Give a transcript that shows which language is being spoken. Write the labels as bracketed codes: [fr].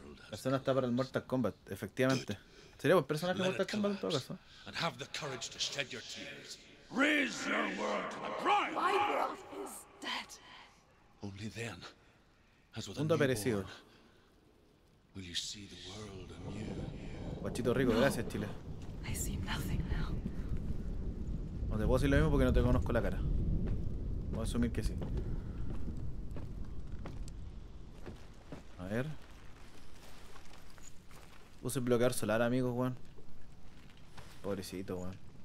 [es] Escena está para el Mortal Kombat, efectivamente. Sería buen personaje de Mortal Kombat en todo caso. [en] And have the courage to shed your tears. Raise your world to the bright. My world is dead. Only then, as with a new born, will you see the world anew. [es] Guachito rico, gracias, Chile. [en] I see nothing now. [es] O te puedo decir lo mismo porque no te conozco la cara. Voy a asumir que sí. A ver. Use el bloquear solar, amigos, weón. Pobrecito, weón.